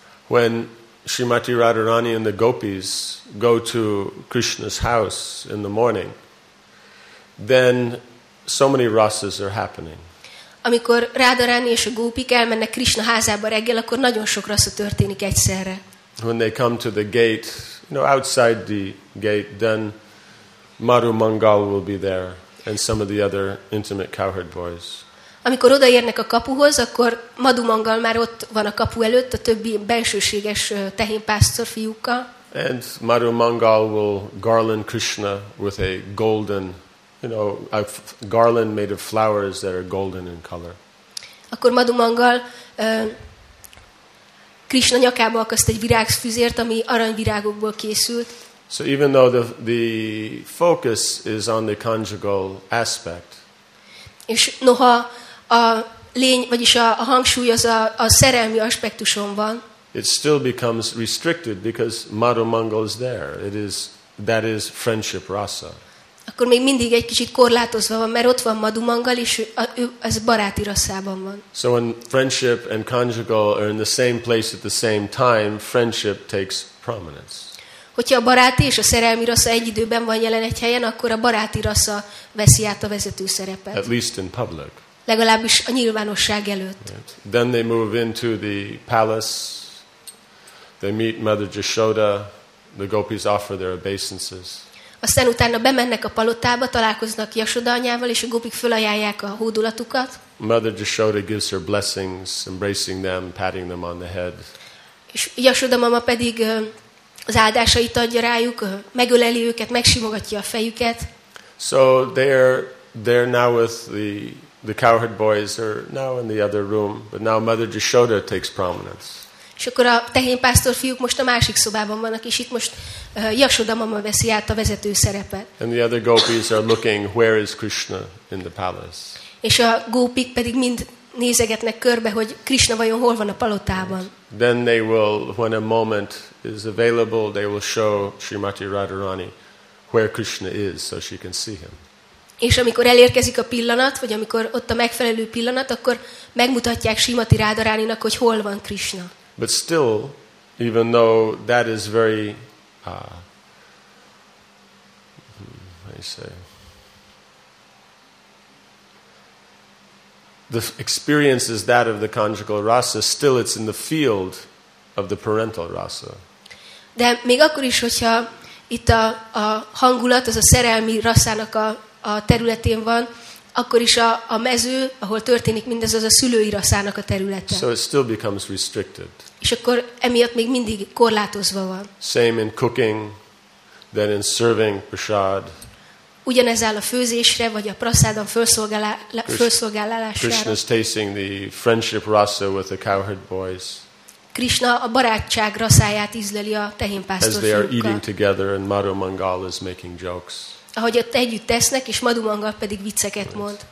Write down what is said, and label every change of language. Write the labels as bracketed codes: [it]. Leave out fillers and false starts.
[en] When Srimati Radharani and the gopis go to Krishna's house in the morning, then so many rasas are happening. [hu] Amikor Radharani és a gópik elmennek Krishna házába reggel, akkor nagyon sok rasza történik egyszerre. [en] When they come to the gate, you know, outside the gate, then Maru Mangal will be there and some of the other intimate cowherd boys. [hu] Amikor odaérnek a kapuhoz, akkor Madhu Mangal már ott van a kapu előtt a többi bensőséges tehénpásztor fiúkkal. [en] And Madhu Mangal will garland Krishna with a golden, you know, a garland made of flowers that are golden in color. [hu] Akkor Madhu Mangal Krishna nyakába akaszt egy virágfüzért, ami aranyvirágokból készült. [en] So even though the focus is on the conjugal aspect. [hu] És noha a lény, vagyis a hangsúly az a szerelmi aspektuson van. [en] It still becomes restricted because Madhu Mangal is there. It is, that is friendship rasa. [hu] akkor még mindig egy kicsit korlátozva van, mert ott van Madhumangal, és ő az baráti rasszában van. [en] So when friendship and conjugal are in the same place at the same time, friendship takes prominence. [hu] Hogyha a baráti és a szerelmi rassza egy időben van jelen egy helyen, akkor a baráti rassza veszi át a vezető szerepet. [en] At least in public. [hu] Legalábbis a nyilvánosság előtt. [en] Right. Then they move into the palace. They meet Mother Jashoda. The gopis offer their obeisances. [hu] Aztán utána bemennek a palotába, találkoznak Jashoda anyával, és a gopik fölajánlják a hódulatukat. [en] Mother Jashoda gives her blessings, embracing them, patting them on the head. [hu] És Jashoda mama pedig az áldásait adja rájuk, megöleli őket, megsimogatja a fejüket. [en] So they're now with the cowherd boys are now in the other room, but now Mother Jashoda takes prominence. [hu] És akkor a tehénpásztor fiúk most a másik szobában vannak, és itt most Jashoda mama veszi át a vezető szerepet. [en] And the other gopis are looking, where is Krishna in the palace? [hu] És a gópik pedig mind nézegetnek körbe, hogy Krishna vajon hol van a palotában. [en] Then they will, when a moment is available, they will show Srimati Radharani where Krishna is, so she can see him. [hu] És amikor elérkezik a pillanat, vagy amikor ott a megfelelő pillanat, akkor megmutatják Srimati Radharaninak, hogy hol van Krishna. [en] But still, even though that is very, the experience is that of the conjugal rasa, still it's in the field of the parental rasa. [hu] De még akkor is, hogyha itt a hangulat, az a szerelmi rasszának a területén van, akkor is a mező, ahol történik mindez, az a szülői rasszának a területe. [en] So it still becomes restricted. [hu] És akkor emiatt még mindig korlátozva van. [en] Same in cooking, then in serving prasad. [hu] Ugyanez áll a főzésre, vagy a prasádon felszolgálására. [en] Krishna's tasting the friendship rasa with the cowherd boys. [hu] Krishna a barátság rasszáját ízleli a tehénpásztorfiúkkal. [en] As they are eating together and Madhu Mangal is making jokes. [hu] Ahogy ott együtt tesznek, és Madhu Mangal pedig vicceket mond.